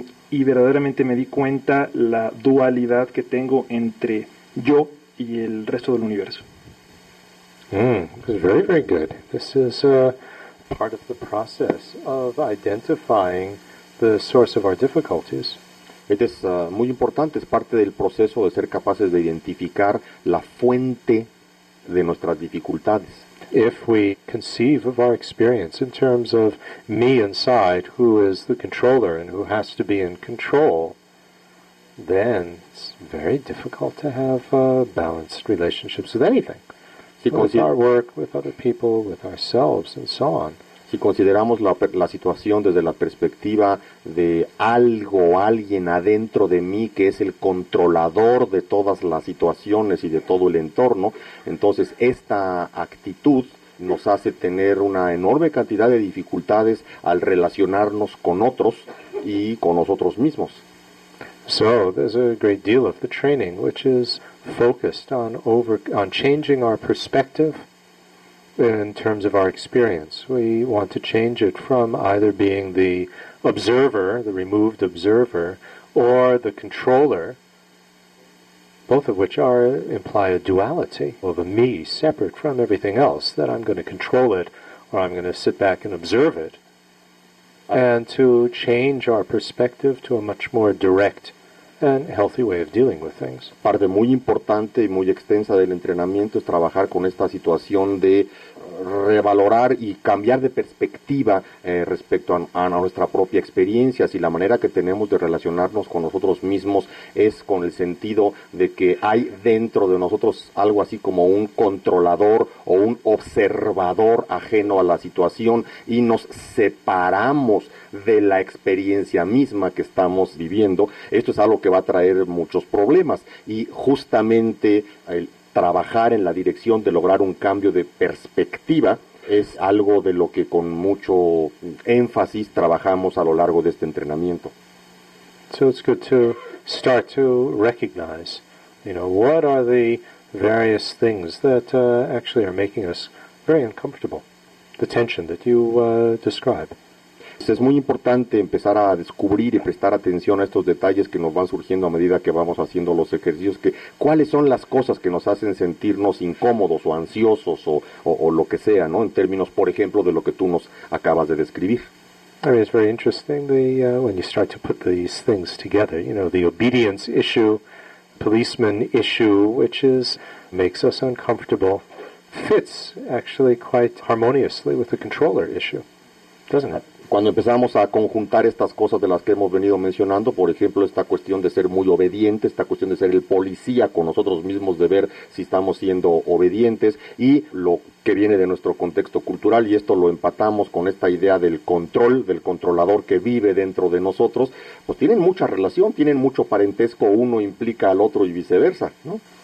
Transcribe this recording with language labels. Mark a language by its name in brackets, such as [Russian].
[Spanish] Y verdaderamente me di cuenta la dualidad que tengo entre yo y el resto del universo. [English] This is very, very good. This is part of the process of identifying the source of our difficulties. [Spanish] Este es muy importante, es parte del proceso de ser capaces de identificar la fuente de nuestras dificultades. [English] If we conceive of our experience in terms of me inside, who is the controller and who has to be in control, then it's very difficult to have balanced relationships with anything. With our work, with other people, with ourselves, and so on. [Spanish] Si consideramos la situación desde la perspectiva de algo, alguien adentro de mí que es el controlador de todas las situaciones y de todo el entorno, entonces esta actitud nos hace tener una enorme cantidad de dificultades al relacionarnos con otros y con nosotros mismos. [English] So there's a great deal of the training which is focused on changing our perspective in terms of our experience. We want to change it from either being the observer, the removed observer, or the controller, both of which are imply a duality of a me separate from everything else, that I'm going to control it or I'm going to sit back and observe it, and to change our perspective to a much more direct and healthy way of dealing with things. [Spanish] Parte muy importante y muy extensa del entrenamiento es trabajar con esta situación de revalorar y cambiar de perspectiva respecto a nuestra propia experiencia, si la manera que tenemos de relacionarnos con nosotros mismos es con el sentido de que hay dentro de nosotros algo así como un controlador o un observador ajeno a la situación y nos separamos de la experiencia misma que estamos viviendo. Esto es algo que va a traer muchos problemas, y justamente el trabajar en la dirección de lograr un cambio de perspectiva es algo de lo que con mucho énfasis trabajamos a lo largo de este entrenamiento. [English] So it's good to start to recognize, you know, what are the various things that actually are making us very uncomfortable, the tension that you describe. [Spanish] Es muy importante empezar a descubrir y prestar atención a estos detalles que nos van surgiendo a medida que vamos haciendo los ejercicios, que cuáles son las cosas que nos hacen sentirnos incómodos o ansiosos o lo que sea, ¿no? En términos, por ejemplo, de lo que tú nos acabas de describir. [English] I mean, it's very interesting when you start to put these things together, you know, the obedience issue, policeman issue, which is makes us uncomfortable, fits actually quite harmoniously with the controller issue, doesn't it? [Spanish] Cuando empezamos a conjuntar estas cosas de las que hemos venido mencionando, por ejemplo, esta cuestión de ser muy obediente, esta cuestión de ser el policía con nosotros mismos, de ver si estamos siendo obedientes, y lo que viene de nuestro contexto cultural, y esto lo empatamos con esta idea del control, del controlador que vive dentro de nosotros, pues tienen mucha relación, tienen mucho parentesco, uno implica al otro y viceversa, ¿no?